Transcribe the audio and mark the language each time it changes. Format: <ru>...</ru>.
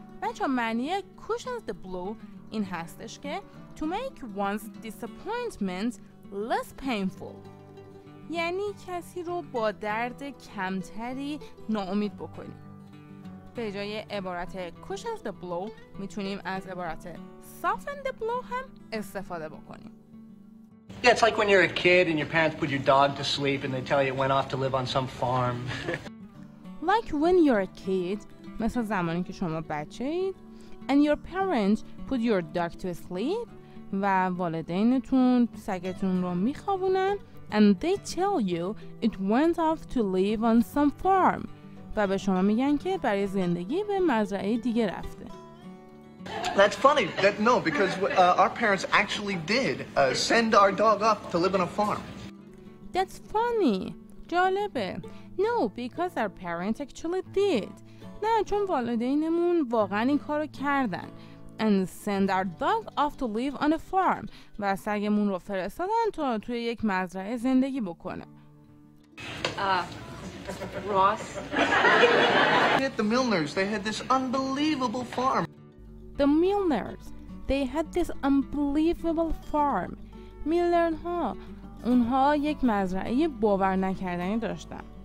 <fa>بچه معنی cushions the blow این هستش که</fa> <en>to make one's disappointment less painful،</en> <fa>یعنی کسی رو با درد کمتری ناامید بکنی. به جای عبارت cushions the blow میتونیم از عبارت soften the blow هم استفاده بکنیم.</fa> <en>Yeah, it's like when you're a kid and your parents put your dog to sleep and they tell you it went off to live on some farm. Like when you're a kid،</en> <fa>مثل زمانی که شما بچه اید</fa> <en>and your parents put your dog to sleep</en> <fa>و والدینتون سگتون رو میخوابونن</fa> <en>and they tell you it went off to live on some farm</en> <fa>و به شما میگن که برای زندگی به مزرعه دیگه رفته.</fa> <en>That's funny. That no because our parents actually did send our dog off to live on a farm. That's funny.</en> <fa>جالبه.</fa> <en>No because our parents actually did.</en> <fa>نه چون والدینمون واقعا این کارو کردن</fa> <en>and send our dog off to live on a farm</en> <fa>و سگمون رو فرستادن تا توی یک مزرعه زندگی بکنه.</fa> <en>Ross at the Milners they had this unbelievable farm. The Milners they had this unbelievable farm. میلرن ها</en> <fa>اونها یک مزرعه باور نکردنی داشتن.</fa>